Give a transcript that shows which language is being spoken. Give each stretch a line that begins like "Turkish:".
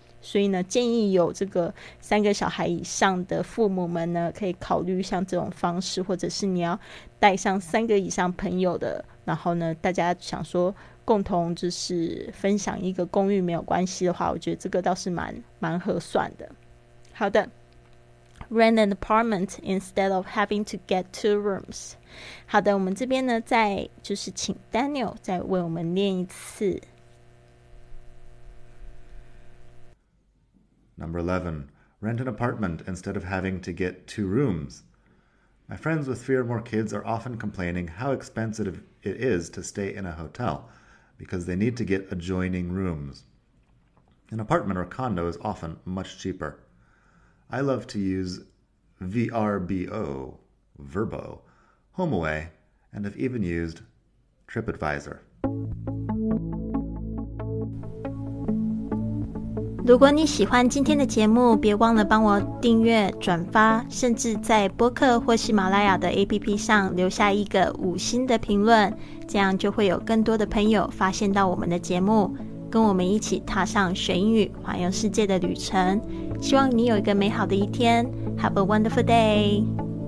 Chinese: 所以呢，建议有这个3个小孩以上的父母们呢，可以考虑像这种方式，或者是你要带上3个以上朋友的，然后呢，大家想说共同就是分享一个公寓没有关系的话，我觉得这个倒是蛮合算的。
English: 好的，rent an apartment instead of having to get two rooms。
Chinese: 好的，我们这边呢，再就是请 Daniel 再为我们念一次。
English: Number 11. Rent an apartment instead of having to get two rooms. My friends with 3 or more kids are often complaining how expensive it is to stay in a hotel because they need to get adjoining rooms. An apartment or condo is often much cheaper. I love to use VRBO, Vrbo, HomeAway, and have even used TripAdvisor.
Chinese: 如果你喜欢今天的节目，别忘了帮我订阅、转发，甚至在播客或喜马拉雅的 APP 上留下一个5星的评论，这样就会有更多的朋友发现到我们的节目，跟我们一起踏上学英语、环游世界的旅程。希望你有一个美好的一天，
English: Have a wonderful day！